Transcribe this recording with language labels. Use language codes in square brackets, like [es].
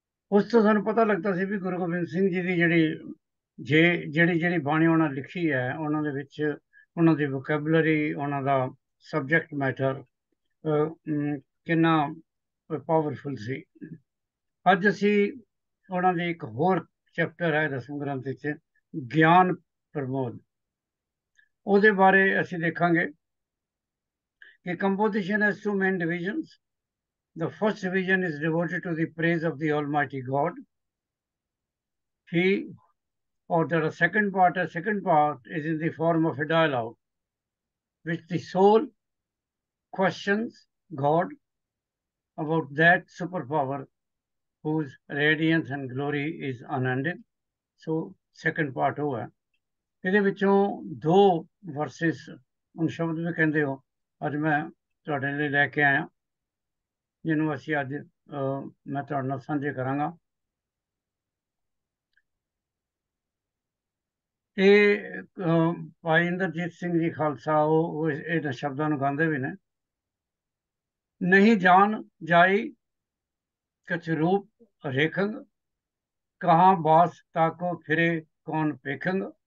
[pa] ਉਸ ਤੋਂ ਸਾਨੂੰ ਪਤਾ ਲੱਗਦਾ ਸੀ ਵੀ ਗੁਰੂ ਗੋਬਿੰਦ ਸਿੰਘ ਜੀ ਦੀ ਜਿਹੜੀ ਜੇ ਜਿਹੜੀ ਜਿਹੜੀ ਬਾਣੀ ਉਹਨਾਂ ਲਿਖੀ ਹੈ, ਉਹਨਾਂ ਦੇ ਵਿੱਚ ਉਹਨਾਂ ਦੀ ਵੋਕੈਬਲਰੀ, ਉਹਨਾਂ ਦਾ ਸਬਜੈਕਟ ਮੈਟਰ ਕਿੰਨਾ ਪਾਵਰਫੁਲ ਸੀ। ਅੱਜ ਅਸੀਂ ਉਹਨਾਂ ਦੀ ਇੱਕ ਹੋਰ ਚੈਪਟਰ ਹੈ ਦਸਮ ਗ੍ਰੰਥ ਵਿੱਚ, ਗਿਆਨ ਪ੍ਰਬੋਧ, ਉਹਦੇ ਬਾਰੇ ਅਸੀਂ ਦੇਖਾਂਗੇ ਕਿ [en] Composition has two main divisions. The first division is devoted to the praise of the Almighty God. He, or there are second part, a second part is in the form of a dialogue, which the soul questions God about that superpower whose radiance and glory is unending. So, second part [pa] ho hai. Ide vichon do verses, un shabd vi kehnde ho, aj main tuhade layi leke aaya, ਜਿਹਨੂੰ ਅਸੀਂ ਅੱਜ ਮੈਂ ਤੁਹਾਡੇ ਨਾਲ ਸਾਂਝੇ ਕਰਾਂਗਾ। ਇਹ ਭਾਈ ਇੰਦਰਜੀਤ ਸਿੰਘ ਜੀ ਖਾਲਸਾ, ਉਹ ਇਹਨਾਂ ਸ਼ਬਦਾਂ ਨੂੰ ਗਾਉਂਦੇ ਵੀ ਨੇ। [bra] ਨਹੀਂ ਜਾਨ ਜਾਈ ਕਛ ਰੂਪ ਰੇਖੰਗ, ਕਹਾਂ ਬਾਸ ਤਾਕੋ ਫਿਰੇ ਕੌਣ ਪੇਖੰਗ।